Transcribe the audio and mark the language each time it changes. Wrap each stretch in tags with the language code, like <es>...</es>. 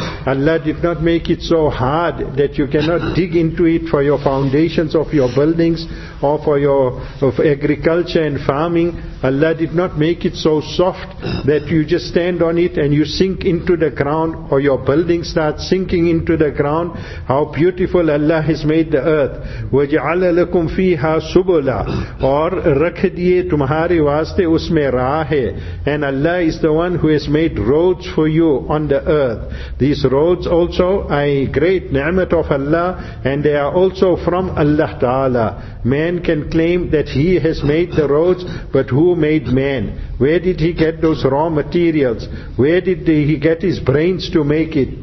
<en>Allah did not make it so hard that you cannot dig into it for your foundations of your buildings or for your of agriculture and farming. Allah did not make it so soft that you just stand on it and you sink into the ground, or your building starts sinking into the ground. How beautiful Allah has made the earth.</en> <ar>وَجْعَلَ لَكُمْ فِيهَا سُبُلَا.</ar> <ur>اور رکھ دیئے تمہارے واسطے اس میں راہ ہے.</ur> <en>And Allah is the one who has made roads for you on the earth. These roads also are a great ni'mat of Allah, and they are also from Allah Ta'ala. Man can claim that he has made the roads, but who made man? Where did he get those raw materials? Where did he get his brains to make it?</en>